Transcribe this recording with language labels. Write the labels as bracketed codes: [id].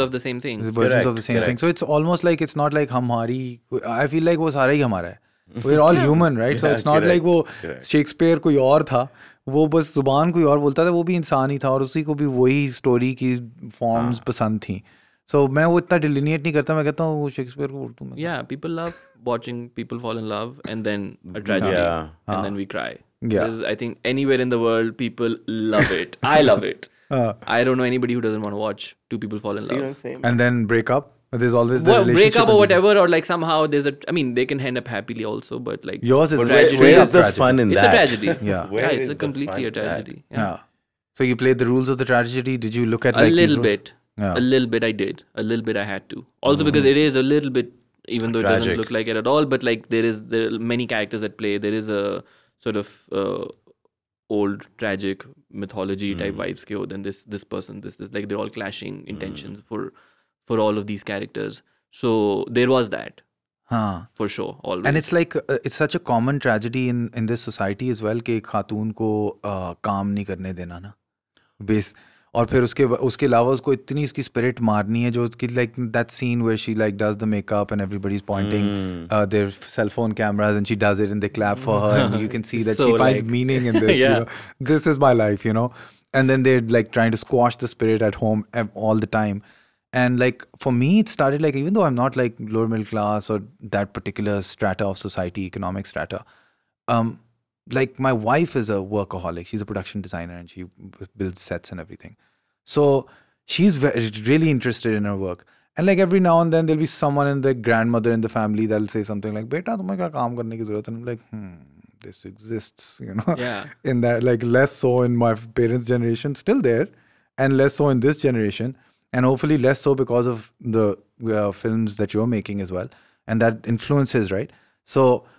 [en] of the same thing so it's almost like it's not like [hi] हमारी [en] I feel like [hi] वो सारा ही हमारा है [en] we are all human right so it's not like [hi] वो Shakespeare कोई और था वो बस जुबान कोई और बोलता था वो भी इंसान ही था और उसी को भी वही स्टोरी की फॉर्म्स पसंद थी So मैं वो इतना delineate नहीं करता, मैं कहता हूँ Shakespeare को उर्दू में. [en] Yeah, people love watching people fall in love and then a tragedy and then we cry. Yeah. I think anywhere in the world people love it. I love it. I don't know anybody who doesn't want to watch two people fall in love. Same. And then break up. There's always the relationship. Break up or whatever, or like somehow there's a, I mean, they can end up happily also, but like. Yours is a tragedy. Where is the fun in that? It's a tragedy. Yeah. Yeah, it's a completely a tragedy. Yeah. So you played the rules of the tragedy. Did you look at a little bit? Yeah. A little bit I did. A little bit I had to. Also because it is a little bit, even though it doesn't look like it at all, but like there are many characters at play. There is a sort of old tragic mythology type vibes. Then this person, this, like they're all clashing intentions for all of these characters. So there was that. [hi] Haan. [en] For sure. Always. And it's like, it's such a common tragedy in this society as well, [hi] ke khatoon ko kaam nahi karne dena na. और फिर उसके अलावा उसको इतनी उसकी spirit मारनी है जो उसकी [en] Like that scene where she like does the makeup and everybody is pointing their cell phone cameras and she does it and they clap for her and you can see that she finds meaning in this you know this is my life you know and then they like trying to squash the spirit at home all the time and like for me it started like even though I am not like lower middle class और that particular strata of society economic strata Like my wife is a workaholic. She's a production designer and she builds sets and everything. So she's really interested in her work. And like every now and then there'll be someone in the grandmother in the family that'll say something like, [hi] "Beta, tumhe kya kaam karne ki zarurat hai?" [en] And I'm like, this exists, you know. Yeah. In that, like less so in my parents' generation, still there, and less so in this generation, and hopefully less so because of the films that you're making as well, and that influences, right? So.